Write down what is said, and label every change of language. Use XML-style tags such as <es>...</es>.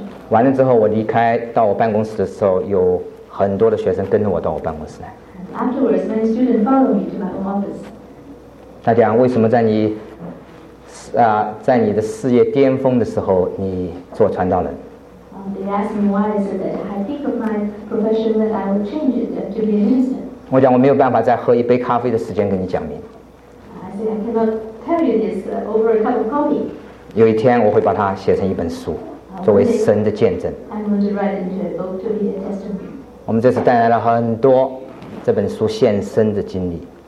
<zh>完了之后，我离开到我办公室的时候，有很多的学生跟着我到我办公室来。</zh> <en>Afterwards, many students follow me to my home office.</en> <zh>大家为什么在你在你的事业巅峰的时候你做传道人？</zh> <en>They ask me why is it that I think of my profession that I would change it to be a minister.</en> <zh>我讲我没有办法再喝一杯咖啡的时间跟你讲明。</zh> <en>I say I cannot tell you this over a cup of coffee.</en> <zh>有一天我会把它写成一本书，作为神的见证。</zh> <en>I'm going to write into a book to be a testimony.</en> <zh>我们这次带来了很多这本书献身的经历。</zh>